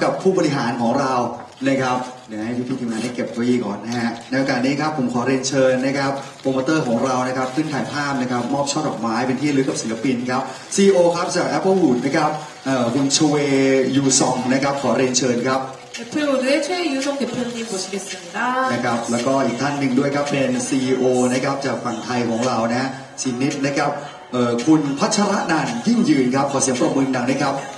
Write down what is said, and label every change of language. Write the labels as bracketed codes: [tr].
[th] ครับยินดีด้วยครับกับคนที่มีบัตรครับขอบคุณมากๆทั้งสองท่านนะครับที่มาร่วมในงานแถลงข่าวของเราครับขอบคุณครับลำดับต่อไปครับเดี๋ยวเราจะถ่ายรูปนะครับกับผู้บริหารของเรา นะครับเดี๋ยวให้พี่ทีมงานได้เก็บไว้ก่อนนะฮะในโอกาสนี้ครับผมขอเรียนเชิญนะครับโปรโมเตอร์ของเรานะครับขึ้นถ่ายภาพนะครับมอบช่อดอกไม้เป็นที่ระลึกกับศิลปินครับ CEO ครับจาก Apple Wood นะครับคุณชเวยูซองนะครับขอเรียนเชิญครับ [ko] Apple Wood의 최유성 대표님 모시겠습니다 [th] นะครับแล้วก็อีกท่านหนึ่งด้วยครับเป็น CEO นะครับจากฝั่งไทยของเรานะ ซินิดนะครับ คุณพัชรนันท์ยิ่งยืนครับขอเสียงปรบมือดังนะครับ